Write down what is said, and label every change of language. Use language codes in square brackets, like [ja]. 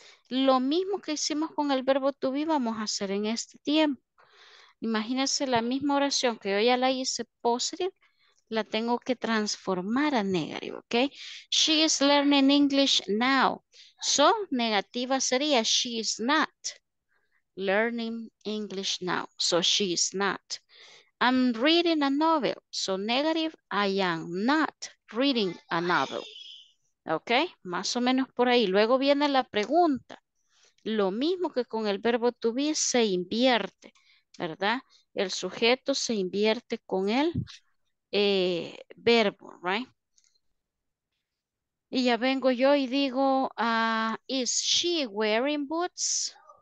[es] Lo mismo que hicimos con el verbo to be, vamos a hacer en este tiempo. Imagínense la misma oración que yo ya la hice positive, la tengo que transformar a negative, ¿ok? [en] She is learning English now. So, [es] negativa sería, [en] she is not learning English now. So, she is not. I'm reading a novel. So, negative, I am not reading a novel. [es] ¿Ok? Más o menos por ahí. Luego viene la pregunta. Lo mismo que con el verbo to be, se invierte, ¿verdad? El sujeto se invierte con el verbo, ¿right? Y ya vengo yo y digo, [en] is she wearing boots?